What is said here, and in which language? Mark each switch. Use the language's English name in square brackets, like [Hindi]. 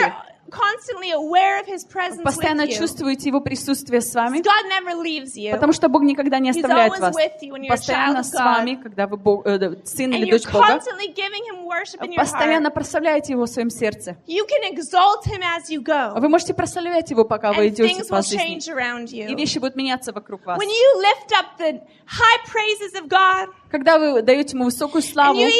[English] you're constantly aware of His presence with you. [Russian] Постоянно чувствуете Его присутствие с вами. [English] God never leaves you. [Russian] Потому что Бог никогда не оставляет вас. [English] He's always with you when you're a child of God. [Russian] Постоянно с вами, когда вы Бог, сын или дочь Бога. [English] And you're constantly giving Him worship in your heart. [Russian] Постоянно прославляете Его в своем сердце. [English] You can exalt Him as you go. [Russian] Вы можете прославлять Его, пока вы идете по жизни. [English] And things will change around you. [Russian] И вещи будут меняться вокруг вас. [English] When you lift up the high praises of God. [Russian] Когда вы даете Ему высокую славу,